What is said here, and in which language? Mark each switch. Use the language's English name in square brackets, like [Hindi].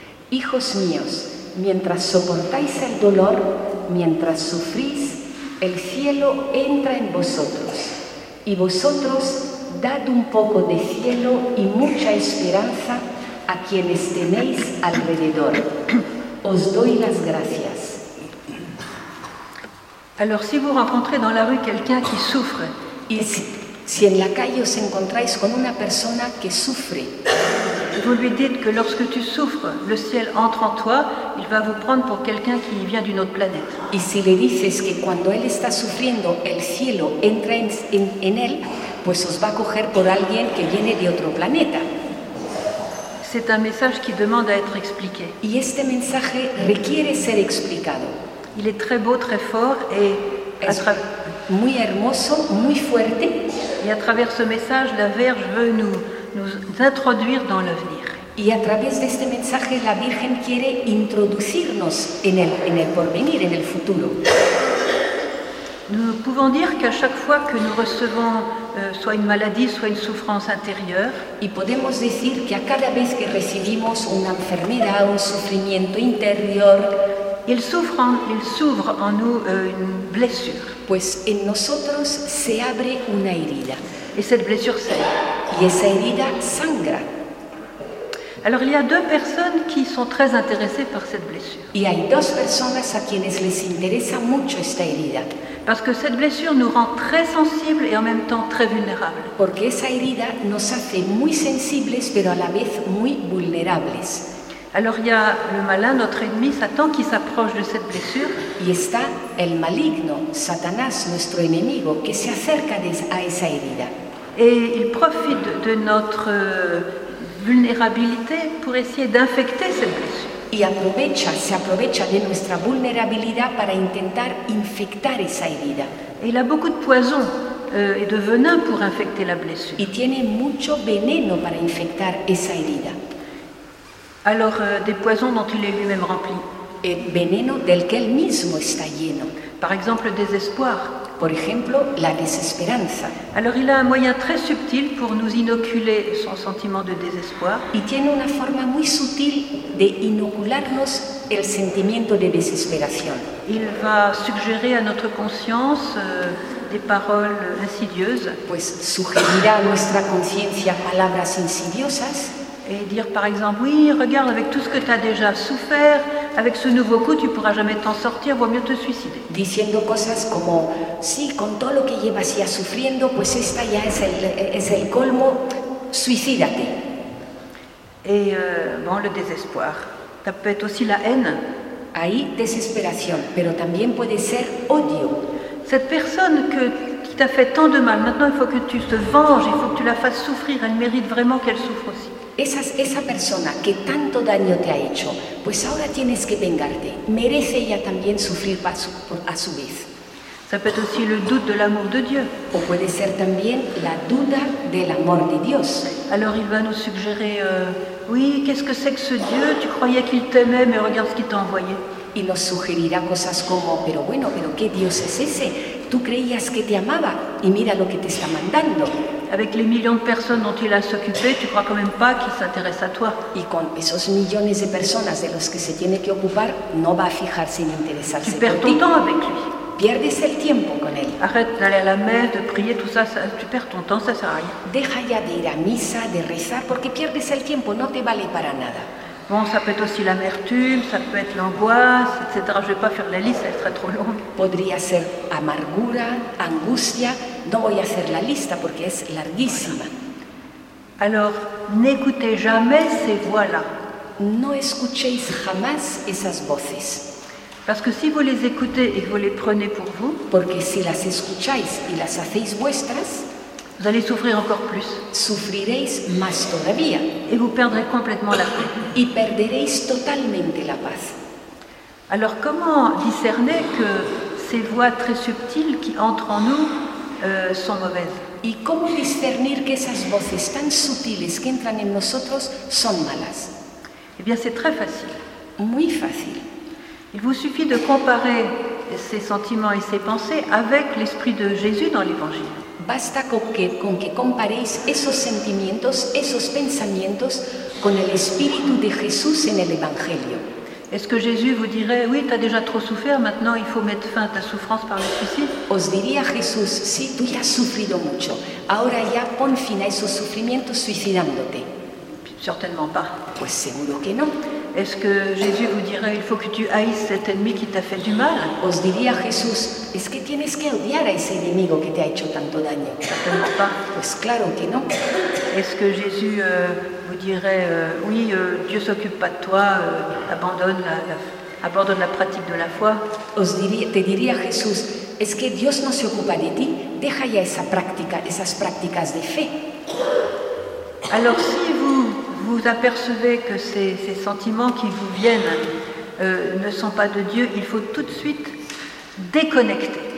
[Spanish] Hijos míos, mientras soportáis el dolor, mientras sufrís, el cielo entra en vosotros, y vosotros dad un poco de cielo y mucha esperanza a quienes tenéis alrededor. Os doy las gracias. [French] Alors, si vous rencontrez dans la rue quelqu'un qui souffre, [Spanish] si en la calle os encontráis con una persona que sufre, [French] vous lui dites que lorsque tu souffres, le ciel entre en toi, il va vous prendre pour quelqu'un qui vient d'une autre planète. [Spanish] Y si le dices que cuando él está sufriendo, el cielo entra en él, pues os va a coger por alguien que viene de otro planeta. [French] C'est un message qui demande à être expliqué. [Spanish] Y este mensaje requiere ser explicado. [French] Il est très beau, très fort et [Spanish] muy hermoso, muy fuerte. [French] Et à travers ce message, la Vierge veut nous introduire dans l'avenir. [Spanish] Y a través de este mensaje la Virgen quiere introducirnos en el porvenir, en el futuro. [French] Nous pouvons dire qu'à chaque fois que nous recevons soit une maladie, soit une souffrance intérieure, [Spanish] y podemos decir que a cada vez que recibimos una enfermedad, un sufrimiento interior, [French] il s'ouvre en nous une blessure. [Spanish] Pues en nosotros se abre una herida. [French] Et cette blessure saigne. [Spanish] Y esa herida sangra. [French] Alors il y a deux personnes qui sont très intéressées par cette blessure. [Spanish] Y hay dos personas a quienes les interesa mucho esta herida. [French] Parce que cette blessure nous rend très sensibles et en même temps très vulnérables. [Spanish] Porque esa herida nos hace muy sensibles pero a la vez muy vulnerables. [French] Alors il y a le malin, notre ennemi, Satan, qui s'approche de cette blessure. [Spanish] Y está el maligno, Satanás, nuestro enemigo, que se acerca a esa herida. [French] Et il profite de notre vulnérabilité pour essayer d'infecter cette blessure. [Spanish] Y se aprovecha de nuestra vulnerabilidad para intentar infectar esa herida. [French] Et il a beaucoup de poison et de venin pour infecter la blessure. [Spanish] Y tiene mucho veneno para infectar esa herida. [French] Alors des poisons dont il est lui-même rempli. [Spanish] Et veneno del que él mismo está lleno. [French] Par exemple, le désespoir. [Spanish] Por ejemplo, la desesperanza. [French] Alors il a un moyen très subtil pour nous inoculer son sentiment de désespoir. [Spanish] Y tiene una forma muy sutil de inocularnos el sentimiento de desesperación. [French] Il va suggérer à notre conscience des paroles insidieuses. [Spanish] Pues sugerirá a nuestra conciencia palabras insidiosas. [French] Et dire par exemple, oui, regarde, avec tout ce que tu as déjà souffert, avec ce nouveau coup, tu ne pourras jamais t'en sortir, vaut mieux te suicider. [Spanish] Diciendo cosas como, sí, con todo lo que llevas ya sufriendo, pues esta ya es el colmo, suicídate. [French] Et bon, le désespoir. Ça peut être aussi la haine. [Spanish] Ahí, desesperación, pero también puede ser odio. [French] Cette personne que qui t'a fait tant de mal, maintenant il faut que tu te venges, il faut que tu la fasses souffrir, elle mérite vraiment qu'elle souffre aussi. [Spanish] Esa persona que tanto daño te ha hecho, pues ahora tienes que vengarte. Merece ella también sufrir a su vez. [French] Ça peut être aussi le doute de l'amour de Dieu. [Spanish] O puede ser también la duda del amor de Dios. [French] Alors il va nous suggérer, oui, qu'est-ce que c'est que ce Dieu? Tu croyais qu'il t'aimait, mais regarde ce qu'il t'a envoyé. [Spanish] Y nos sugerirá cosas como, pero bueno, pero qué Dios es ese? Tú creías que te amaba y mira lo que te está mandando. [French] Avec les millions de personnes dont il a s'occuper, tu crois quand même pas qu'il s'intéresse à toi. [Spanish] Y con esos millones de personas de los que se tiene que ocupar, no va a fijarse en interesarse por ti. [French] Tu perds ton temps avec lui. [Spanish] Pierdes el tiempo con él. [French] Arrête d'aller à la messe, de prier, tout ça, tu perds ton temps, ça sert à rien. [Spanish] Deja ya de ir a misa, de rezar, porque pierdes el tiempo, no te vale para nada. [French] Bon, ça peut être aussi l'amertume, ça peut être l'angoisse, etc. Je ne vais pas faire la liste, elle serait trop longue. [Spanish] Podría ser amargura, angustia. No voy a hacer la lista porque es larguísima. [French] Alors, n'écoutez jamais ces voix-là. [Spanish] No escuchéis jamás esas voces. [French] Parce que si vous les écoutez et que vous les prenez pour vous, [Spanish] porque si las escucháis y las hacéis vuestras, [French] vous allez souffrir encore plus. [Spanish] Sufriréis más todavía. [French] Et vous perdrez complètement la paix. [Spanish] Y perderéis totalmente la paz. [French] Alors, comment discerner que ces voix très subtiles qui entrent en nous sont mauvaises? [Spanish] Y cómo discernir que esas voces tan sutiles que entran en nosotros son malas? [French] Eh bien, c'est très facile. [Spanish] Muy fácil. [French] Il vous suffit de comparer ces sentiments et ces pensées avec l'esprit de Jésus dans l'Évangile. [Spanish] Basta con que comparéis esos sentimientos, esos pensamientos con el espíritu de Jesús en el Evangelio. [French] Est-ce que Jésus vous dirait, oui, tu as déjà trop souffert, maintenant il faut mettre fin à ta souffrance par le suicide? [Spanish] Os diría Jesús, sí, tú ya has sufrido mucho. Ahora ya pon fin a esos sufrimientos suicidándote. [French] Certainement pas. [Spanish] Pues seguro que no. [French] Est-ce que Jésus vous dirait, il faut que tu haïsses cet ennemi qui t'a fait du mal? [Spanish] Os diría Jesús, es que tienes que odiar a ese enemigo que te ha hecho tanto daño. [French] Certainement pas. [Spanish] Pues claro que no. [French] Est-ce que Jésus vous dirait, oui, Dieu s'occupe pas de toi, abandonne la pratique de la foi? [Spanish] Os diría, te diría Jesús, es que Dios no se ocupa de ti, deja ya esa práctica, esas prácticas de fe. [French] Alors si vous apercevez que ces sentiments qui vous viennent ne sont pas de Dieu, il faut tout de suite déconnecter.